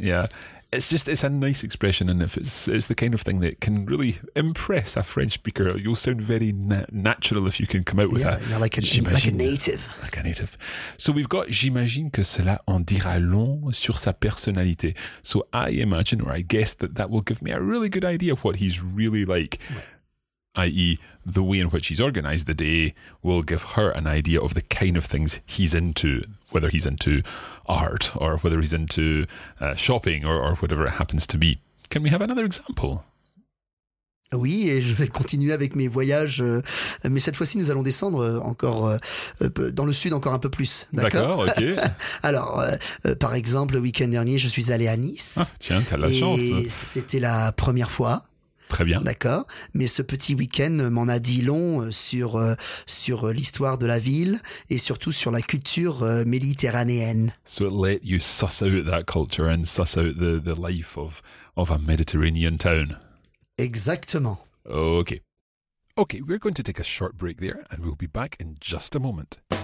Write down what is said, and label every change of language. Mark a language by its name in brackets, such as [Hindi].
[English] Yeah, it's a nice expression, and if it's the kind of thing that can really impress a French speaker, you'll sound very natural if you can come out with that. Yeah, like a native. Like a native. So we've got [French] j'imagine que cela en dira long sur sa personnalité. [English] So I imagine, or I guess, that will give me a really good idea of what he's really like. Ouais. I.e. the way in which he's organized the day will give her an idea of the kind of things he's into, whether he's into art or whether he's into shopping or whatever it happens to be. Can we have another example? [French] Oui, et je vais continuer avec mes voyages, mais cette fois-ci nous allons descendre encore dans le sud encore un peu plus, d'accord? D'accord, ok. Alors, par exemple, le week-end dernier, je suis allé à Nice. Ah, tiens, t'as la et chance. Et c'était la première fois. Très bien. D'accord. Mais ce petit week-end m'en a dit long sur l'histoire de la ville et surtout sur la culture méditerranéenne. [English] So it let you suss out that culture and suss out the life of a Mediterranean town. [French] Exactement. [English] Okay. Okay, we're going to take a short break there and we'll be back in just a moment.